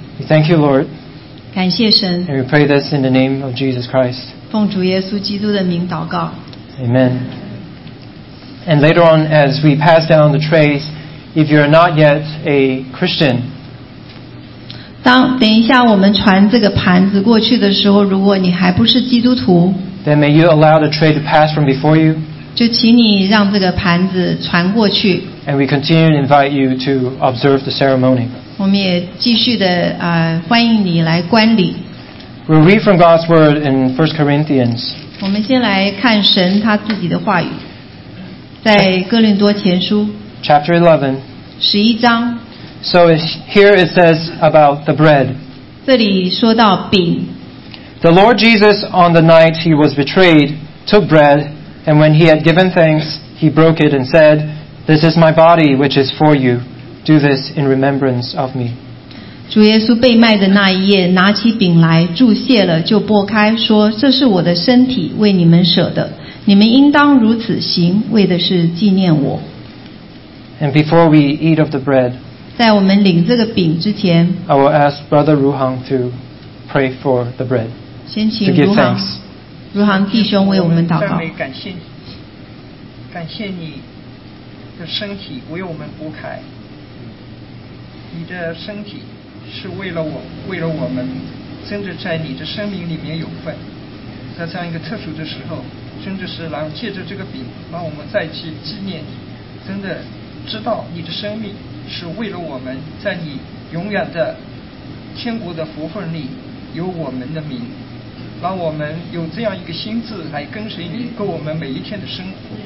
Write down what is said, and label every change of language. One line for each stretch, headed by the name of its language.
English: We thank you, Lord.
Chinese: 感谢神。
English: And we pray this in the name of Jesus Christ.
Chinese: 奉主耶稣基督的名祷告。
English: Amen. And later on, as we pass down the trays, if you are not yet a Christian,
Chinese: 等一下我们传这个盘子过去的时候，如果你还不是基督徒
English: then may you allow the tray to pass from before you.
Chinese: 就请你让这个盘子传过去
English: And we continue to invite you to observe the ceremony.
Chinese: 我们也继续的欢迎你来观礼
English: We'll read from God's word in 1 Corinthians.
Chinese: 我们先来看神他自己的话语。在哥林多前书
English: Chapter 11
Chinese: 十一章
English: So here it says about the bread
Chinese: 这里说到饼
English: The Lord Jesus on the night he was betrayed took bread and when he had given thanks he broke it and said This is my body which is for you Do this in remembrance of me
Chinese: 主耶稣被卖的那一夜拿起饼来祝谢了就擘开说这是我的身体为你们舍的你们应当如此行，为的是纪念我。
English: And before we eat of the bread,
Chinese: 在我们领这个饼之前
English: I will ask Brother Ruhang to pray for the bread.
Chinese: 先请如航如航弟兄为我们祷告。赞美感谢你的身体为我们铺开，你的身体是为了我，为了我们真的在你的生命里面有份，在这样一个特殊的时候，真的是让借着这个饼让我们再去纪念你，真的知道你的生命是为了我们，在你永远的天国的福分里有我们的名，让我们有这样一个心智来跟随你过我们每一天的生活。